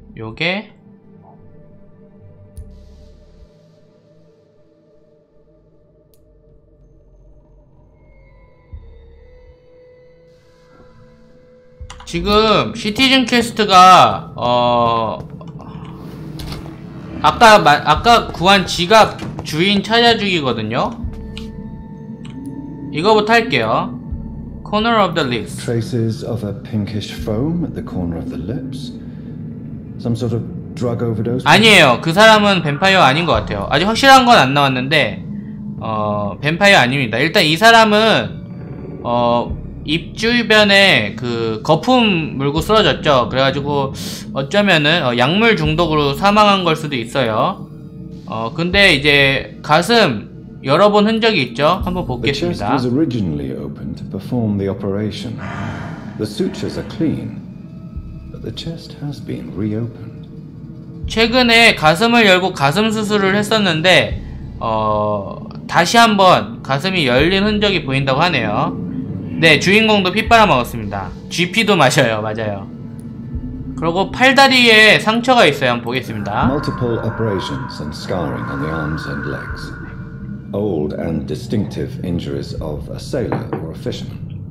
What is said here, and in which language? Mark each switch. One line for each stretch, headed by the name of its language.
Korean: 요게 지금 시티즌 퀘스트가 아까 구한 지갑 주인 찾아주기거든요. 이거부터 할게요.
English: Corner of the lips. Traces of a pinkish foam at the corner of the lips. Some sort of drug overdose.
Korean: 아니에요. 그 사람은 뱀파이어 아닌 것 같아요. 아직 확실한 건 안 나왔는데 뱀파이어 아닙니다. 일단 이 사람은 입 주변에 그 거품 물고 쓰러졌죠. 그래가지고 어쩌면은 약물 중독으로 사망한 걸 수도 있어요. 근데 이제 가슴 여러 번 흔적이 있죠. 한번 보겠습니다.
English: The chest was originally opened to perform the operation. The sutures are clean, but the chest has been reopened.
Korean: 최근에 가슴을 열고 가슴 수술을 했었는데 다시 한번 가슴이 열린 흔적이 보인다고 하네요. 네, 주인공도 피 빨아먹었습니다. GP도 마셔요. 맞아요. 그리고 팔다리에 상처가 있어요. 한번 보겠습니다.
English: Multiple abrasions and scarring on the arms and legs. Old and distinctive injuries of a sailor or a fisherman.